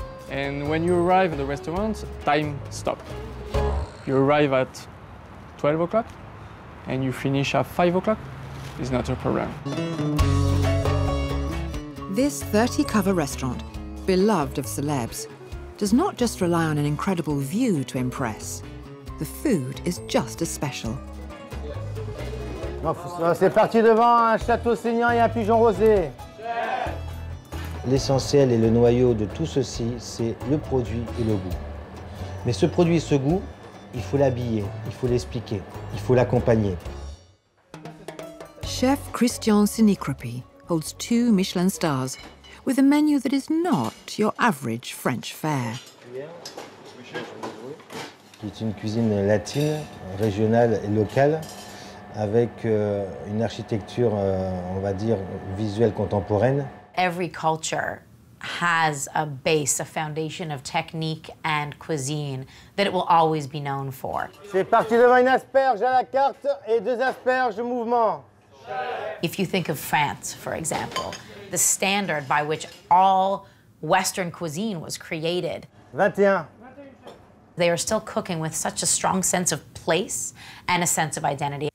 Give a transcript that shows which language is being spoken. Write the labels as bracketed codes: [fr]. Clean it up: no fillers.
[en] And when you arrive at the restaurant, time stops. You arrive at 12 o'clock and you finish at 5 o'clock. It's not a problem. This 30-cover restaurant, beloved of celebs, does not just rely on an incredible view to impress. The food is just as special. [fr] C'est parti devant un château saignant et un pigeon rosé. L'essentiel et le noyau de tout ceci, c'est le produit et le goût. Mais ce produit et ce goût, il faut l'habiller, il faut l'expliquer, il faut l'accompagner. [en] Chef Christian Sinicropi holds 2 Michelin stars with a menu that is not your average French fare. [fr] C'est une cuisine latine, régionale et locale, avec une architecture, on va dire, visuelle contemporaine. [en] Every culture has a base, a foundation of technique and cuisine that it will always be known for. [fr] C'est parti devant une asperge à la carte et 2 asperges mouvement. [en] If you think of France, for example, the standard by which all Western cuisine was created. 21. They are still cooking with such a strong sense of place and a sense of identity.